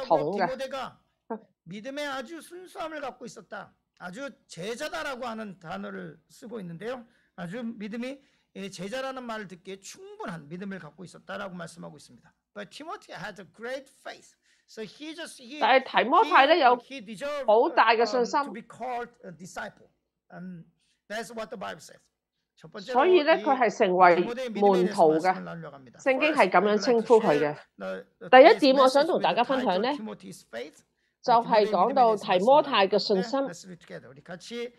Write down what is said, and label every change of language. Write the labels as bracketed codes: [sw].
[ko] 아주 순수함을 갖고 있었다. 아주 제자다라고 하는 단어를 쓰고 있는데요. 아주 믿음이 제자라는 말을 듣기에 충분한 믿음을 갖고 있었다라고 말씀하고 있습니다. [en] But Timothy had a great faith, so he just he. [yue] 但係提摩太咧有好大嘅信心。 [en] To be called a disciple, that's what the Bible says. [yue] 所以咧，佢係成為門徒嘅。聖經係咁樣稱呼佢嘅。第一點，我想同大家分享咧，就係講到提摩太嘅信心。